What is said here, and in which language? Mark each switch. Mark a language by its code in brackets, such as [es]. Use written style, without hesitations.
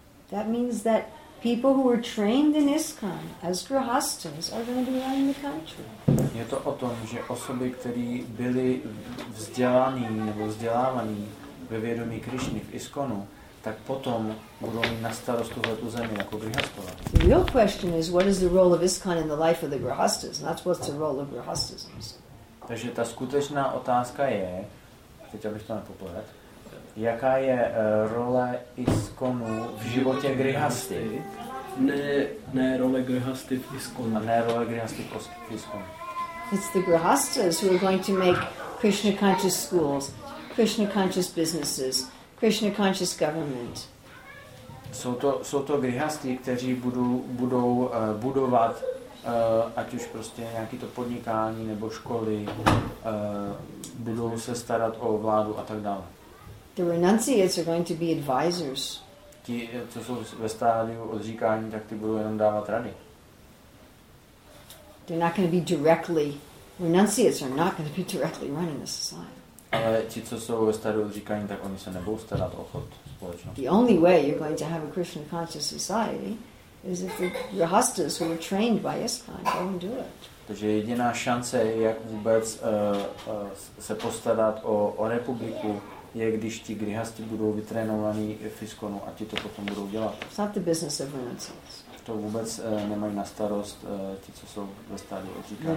[en] That means that people who were trained in ISKCON as grihasthas are going to be running the country. [cs] Je to o tom, že osoby, které byly vzdělaní nebo vzdělávaní ve vědomí Krišny v ISKCONu, tak potom budou mít na starost tuhle tu zemi jako grihasthové. [en] The real question is what is the role of ISKCON in the life of the grihasthas? And that's what's the role of grihasthas. [cs] Takže ta skutečná otázka je, teď abych to nepoplet, jaká je role ISKCONu v životě grihasty? Ne role grihasty v ISKCONu. Ne role grihasty v ISKCONu. [en] It's the grihasthas who are going to make Krishna conscious schools, Krishna conscious businesses, Krishna conscious government. [cs] Jsou to grihasty, kteří budou budovat ať už prostě nějaký to podnikání nebo školy, budou se starat o vládu a tak dále. [en] The renunciates are going to be advisors. [cs] Ti, co jsou ve stádiu odříkání, tak ty budou jenom dávat rady. [en] They're not going to be directly. Renunciates are not going to be directly running the society. [cs] Ale ti, co jsou ve stádiu odříkání, tak oni se nebudou starat o chod společnosti. [en] The only way you're going to have a Krishna conscious society is if the grihasthas who are trained by ISKCON don't do it. [cs] Takže jediná šance je, jak vůbec se postarat o republiku, je, když ti grihasti budou vytrénovaní v ISKCONu a ti to potom budou dělat. [en] It's not the business of renunciates. [cs] To vůbec nemají na starost ti, co jsou ve stádiu odříkání.